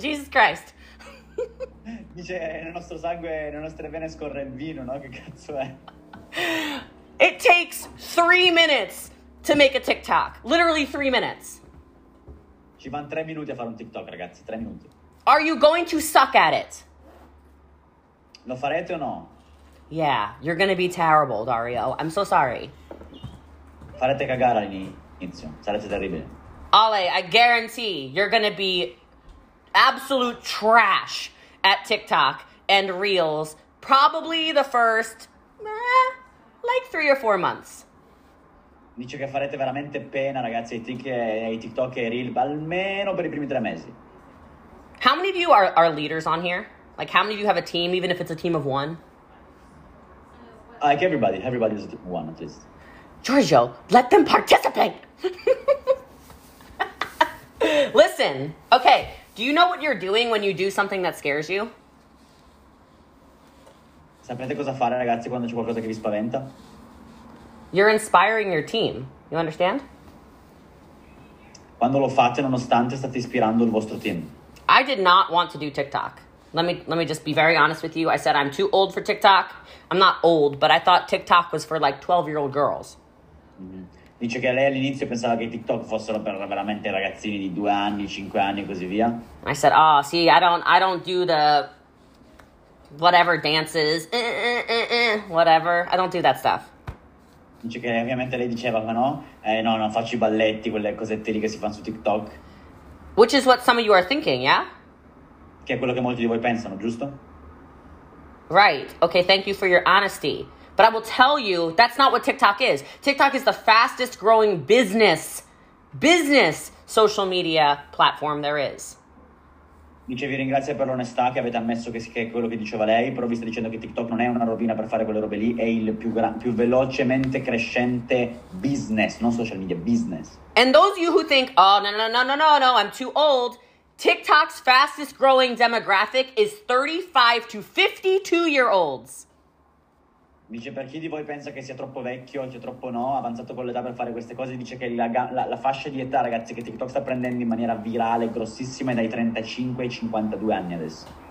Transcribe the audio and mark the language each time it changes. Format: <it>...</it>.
<en>Jesus Christ.</en> <it>Dice, nel nostro sangue, nelle nostre vene scorre il vino, no? Che cazzo è?</it> <en>It takes 3 minutes to make a TikTok. Literally 3 minutes.</en> <it>Ci vanno 3 minuti a fare un TikTok, ragazzi. 3 minuti.</it> <en>Are you going to suck at it?</en> <it>Lo farete o no?</it> <en>Yeah, you're going to be terrible, Dario. I'm so sorry.</en> <it>Farete cagare all'inizio. Sarete terribili.</it> <en>Ale, I guarantee you're going to be absolute trash at TikTok and Reels probably the first, like 3 or 4 months.</en> <it>Dice che farete veramente pena, ragazzi, ai TikTok e Reels almeno per i primi 3 mesi.</it> <en>How many of you are leaders on here? Like, how many of you have a team, even if it's a team of one? Like, everybody. Everybody is a team of one, at least. Giorgio, let them participate! Listen, okay, do you know what you're doing when you do something that scares you?</en> <it>Sapete cosa fare, ragazzi, quando c'è qualcosa che vi spaventa?</it> <en>You're inspiring your team. You understand?</en> <it>Quando lo fate, nonostante, state ispirando il vostro team.</it> <en>I did not want to do TikTok. Let me just be very honest with you. I said I'm too old for TikTok. I'm not old, but I thought TikTok was for like 12-year-old girls. Mm-hmm.</en> <it>Dice che lei all'inizio pensava che TikTok fossero per veramente ragazzini di 2 anni, 5 anni e così via.</it> <en>I said, oh, see, I don't do the whatever dances, whatever. I don't do that stuff.</en> <it>Dice che ovviamente lei diceva, ma no, no, non faccio i balletti, quelle cosette lì che si fanno su TikTok.</it> <en>Which is what some of you are thinking, yeah?</en> <it>Che è quello che molti di voi pensano, giusto?</it> <en>Right. Okay, thank you for your honesty. But I will tell you, that's not what TikTok is. TikTok is the fastest growing business social media platform there is.</en> <it>Dice, vi ringrazio per l'onestà che avete ammesso che è quello che diceva lei, però vi sta dicendo che TikTok non è una rovina per fare quelle robe lì, è il più velocemente crescente business, non social media, business.</it> <en>And those of you who think, oh, no, I'm too old, TikTok's fastest growing demographic is 35 to 52 year olds.</en> <it>Dice, per chi di voi pensa che sia troppo vecchio, che è troppo no, avanzato con l'età per fare queste cose, dice che la fascia di età, ragazzi, che TikTok sta prendendo in maniera virale, grossissima, è dai 35 ai 52 anni adesso.</it>